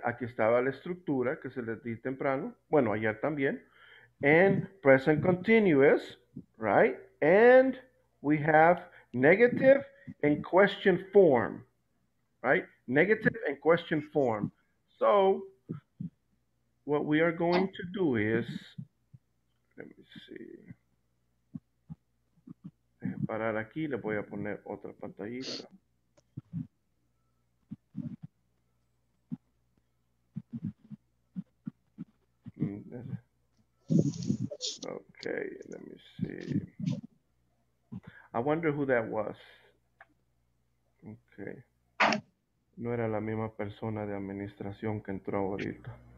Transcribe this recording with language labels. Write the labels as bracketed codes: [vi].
[es] Aquí estaba la estructura que se les di temprano. Bueno, ayer también. [en] And present continuous, right? And we have negative and question form, right? Negative and question form. So, what we are going to do is, let me see. [es] Parar aquí, le voy a poner otra pantallita. [en] Okay, let me see. I wonder who that was. Okay. [es] No era la misma persona de administración que entró ahorita.